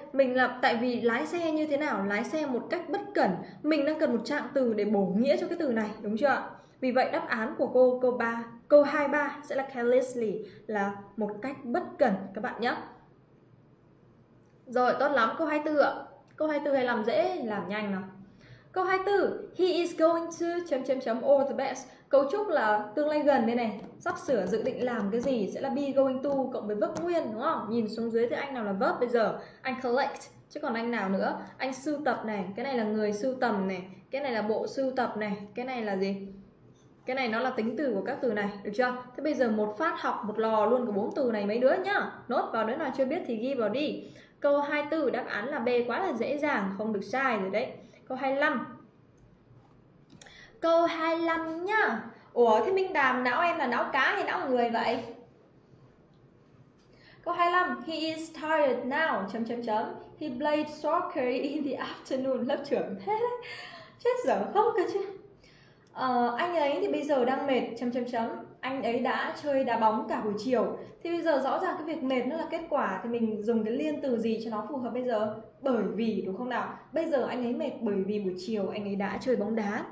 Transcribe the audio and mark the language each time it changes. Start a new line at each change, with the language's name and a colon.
Vietnamese: Mình là tại vì lái xe như thế nào? Lái xe một cách bất cẩn. Mình đang cần một trạng từ để bổ nghĩa cho cái từ này, đúng chưa ạ? Vì vậy đáp án của cô câu 3, câu 23 sẽ là carelessly, là một cách bất cẩn các bạn nhá. Rồi, tốt lắm, câu 24 ạ. Câu 24 hay làm dễ, làm nhanh nào. Câu 24,
English: he is going to ...or the best.
Vietnamese: Cấu trúc là tương lai gần đây này, sắp sửa dự định làm cái gì sẽ là be going to cộng với verb nguyên đúng không? Nhìn xuống dưới thì anh nào là verb bây giờ? Anh collect, chứ còn anh nào nữa? Anh sưu tập này, cái này là người sưu tầm này, cái này là bộ sưu tập này, cái này là gì? Cái này nó là tính từ của các từ này, được chưa? Thế bây giờ một phát học một lò luôn cả bốn từ này mấy đứa nhá. Nốt vào, đứa nào chưa biết thì ghi vào đi. Câu 24 đáp án là B, quá là dễ dàng, không được sai rồi đấy. Câu 25. Câu 25 nhá. Ủa thế Minh Đàm, não em là não cá hay não người vậy? Câu 25,
English: he is tired now ... He played soccer in the afternoon,
Vietnamese: lớp trưởng. Chết dở không cơ chứ. Anh ấy thì bây giờ đang mệt ... Anh ấy đã chơi đá bóng cả buổi chiều. Thì bây giờ rõ ràng cái việc mệt nó là kết quả, thì mình dùng cái liên từ gì cho nó phù hợp bây giờ? Bởi vì, đúng không nào? Bây giờ anh ấy mệt bởi vì buổi chiều anh ấy đã chơi bóng đá.